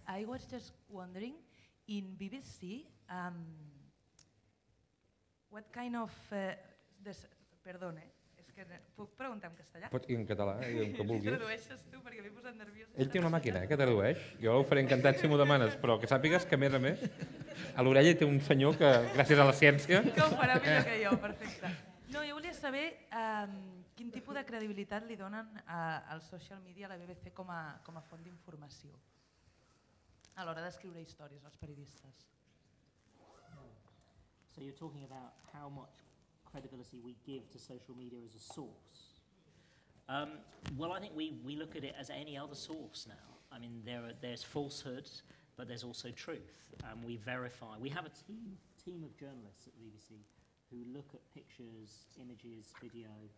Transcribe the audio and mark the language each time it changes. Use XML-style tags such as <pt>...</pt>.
<en>I was just wondering, in BBC, what kind of...</en> <ca>Perdone, és que puc preguntar en castellà? Pots dir en català, i el que vulguis. Si tradueixes tu, perquè m'he posat nerviosa. Ell té una màquina que tradueix. Jo ho faré encantat si m'ho demanes, però que sàpigues que, a més, a l'orella té un senyor que, gràcies a la ciència... Que ho farà millor que jo, perfecte. No, jo volia saber... quin tipus de credibilitat li donen al social media, a la BBC, com a font d'informació a l'hora d'escriure històries als periodistes?</ca> <en>So you're talking about how much credibility we give to social media as a source. Well, I think we look at it as any other source now. I mean, there's falsehood, but there's also truth. We verify. We have a team of journalists at the BBC who look at pictures, images, video.</en>